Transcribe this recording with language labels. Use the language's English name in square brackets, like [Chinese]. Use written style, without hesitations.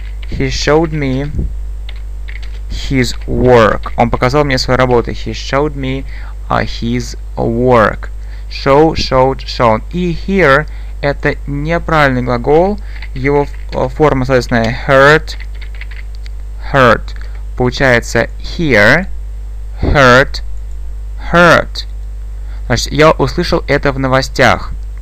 [English] He showed me his work, [Russian] он показал мне свою работу. [English] He showed me his work. Show, showed, shown. [Russian] И here — это неправильный глагол. Его форма, соответственно, [English] heard, heard. [Russian] Получается [English] hear, heard, heard. [Russian] Значит, я услышал это в новостях.